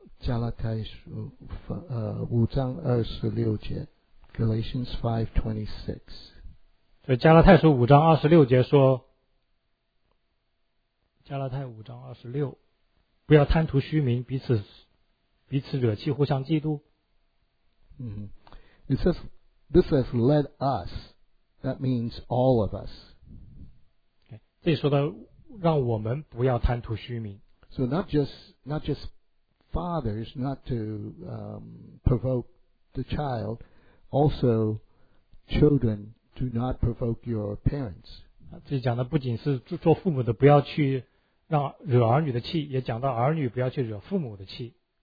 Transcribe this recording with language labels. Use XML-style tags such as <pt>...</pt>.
<zh>加拉太书五章二十六节 ,Galatians 5:26. 所以加拉太书五章二十六节说，加拉太五章二十六，不要贪图虚名，彼此惹气，互相嫉妒。</zh> <en>It says, this has led us, that means all of us.</en> <zh>Okay, 这里说的让我们不要贪图虚名。</zh> <en>So not just fathers, not to provoke the child, also children, do not provoke your parents.</en> <zh>这讲的不仅是做父母的不要去让惹儿女的气，也讲到儿女不要去惹父母的气。</zh>